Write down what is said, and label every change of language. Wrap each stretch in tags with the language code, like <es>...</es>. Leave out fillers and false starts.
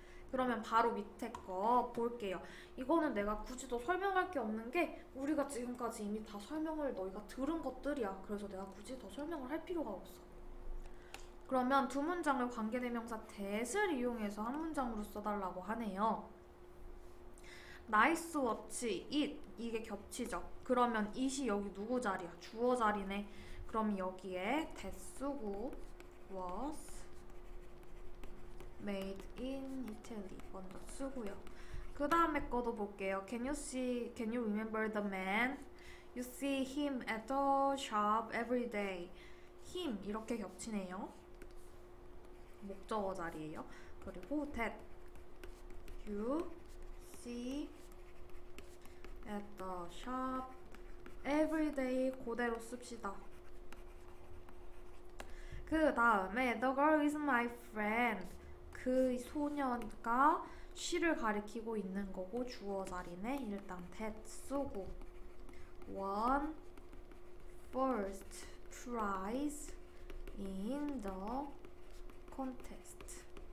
<ko>그러면 바로 밑에 거 볼게요. 이거는 내가 굳이 더 설명할 게 없는 게 우리가 지금까지 이미 다 설명을 너희가 들은 것들이야. 그래서 내가 굳이 더 설명을 할 필요가 없어. 그러면 두 문장을 관계대명사 that을 이용해서 한 문장으로 써달라고 하네요.</ko> <en>Nice watch, it.</en> <ko>이게 겹치죠. 그러면 it이 여기 누구 자리야? 주어 자리네. 그럼 여기에</ko> <en>that 쓰고 was made in Italy</en> <ko>먼저 쓰고요. 그 다음에 것도 볼게요.</ko> <en>Can you see, can you remember the man? You see him at the shop every day.</en> <ko>him 이렇게 겹치네요. 목적어 자리예요. 그리고</ko> <en>that you see at the shop every day</en> <ko>그대로 씁시다. 그 다음에</ko> <en>the girl is my friend.</en> <ko>그 소년과 she를 가리키고 있는 거고 주어 자리는 일단 that 쓰고</ko> <en>won first prize in the contest.</en>